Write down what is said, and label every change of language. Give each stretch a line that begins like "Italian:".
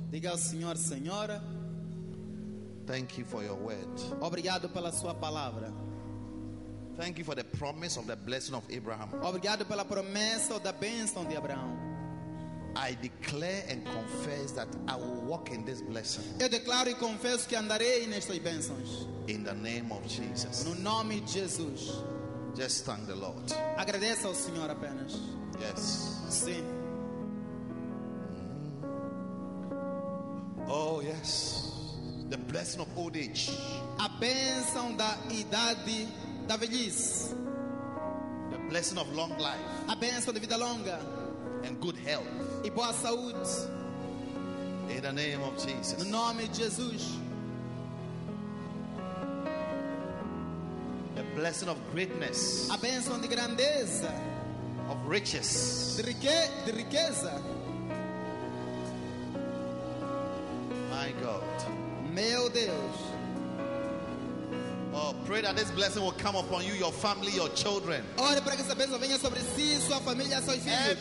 Portuguese: Diga ao Senhor, Senhor.
English: Thank you for your word.
Portuguese: Obrigado pela sua palavra.
English: Thank you for the promise of the blessing of Abraham.
Portuguese: Obrigado pela promessa da bênção de Abraão.
English: I declare and confess that I will walk in this blessing.
Portuguese: Eu declaro e confesso que andarei nestas bênçãos.
English: In the name of Jesus.
Portuguese: No nome de Jesus.
English: Just thank the Lord.
Portuguese: Agradeça ao Senhor apenas.
English: Yes.
Portuguese: Sim.
English: Oh yes. The blessing of old age.
Portuguese: A bênção da idade da velhice.
English: The blessing of long life.
Portuguese: A bênção da vida longa.
English: And good health.
Portuguese: E boa saúde.
English: In the name of Jesus.
Portuguese: No nome de Jesus.
English: The blessing of greatness.
Portuguese: A bênção de grandeza.
English: Of riches.
Portuguese: De riqueza.
English: My God.
Portuguese: Meu Deus.
English: Oh, pray that this blessing will come upon you, your family, your children.
Portuguese: Ore para que essa bênção venha sobre si, sua família, seus filhos.